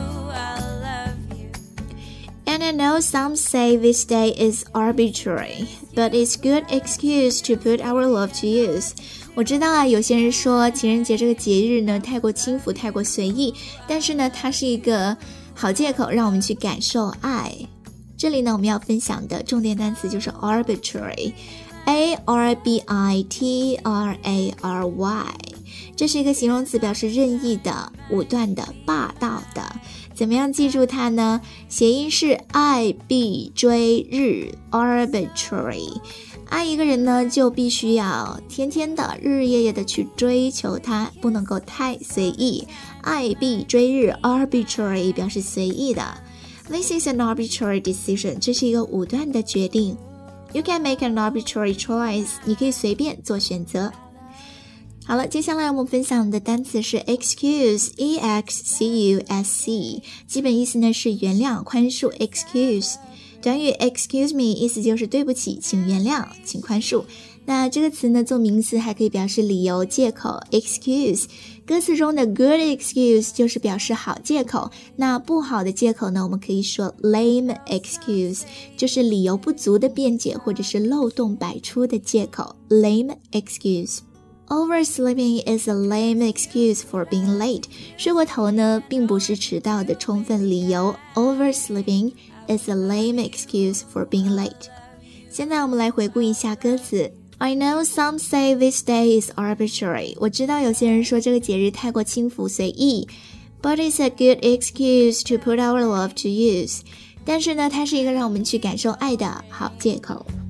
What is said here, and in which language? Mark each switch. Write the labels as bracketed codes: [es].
[en] And I know some say this day is arbitrary, but it's good excuse to put our love to use. [zh] 我知道啊，有些人说情人节这个节日呢太过轻浮太过随意，但是呢它是一个好借口让我们去感受爱。这里呢我们要分享的重点单词就是 arbitrary， A-R-B-I-T-R-A-R-Y， 这是一个形容词，表示任意的武断的霸道的。怎么样记住它呢？谐音是爱必追日 arbitrary。爱一个人呢就必须要天天的日日夜夜的去追求他，不能够太随意。爱必追日 arbitrary 表示随意的。 [en] This is an arbitrary decision， [zh] 这是一个武断的决定。 [en] You can make an arbitrary choice， [zh] 你可以随便做选择。好了，接下来我们分享的单词是 excuse， E-X-C-U-S-E， 基本意思呢是原谅宽恕。 excuse 短语 excuse me 意思就是对不起请原谅请宽恕。那这个词呢做名词还可以表示理由借口 excuse。歌词中的 good excuse 就是表示好借口，那不好的借口呢我们可以说 lame excuse， 就是理由不足的辩解或者是漏洞百出的借口 lame excuse。 [en] Oversleeping is a lame excuse for being late， [zh] 睡过头呢并不是迟到的充分理由。 [en] Oversleeping is a lame excuse for being late。 [zh] 现在我们来回顾一下歌词。 [en] I know some say this day is arbitrary， [zh] 我知道有些人说这个节日太过轻浮随意。 [en] But it's a good excuse to put our love to use， [zh] 但是呢它是一个让我们去感受爱的好借口。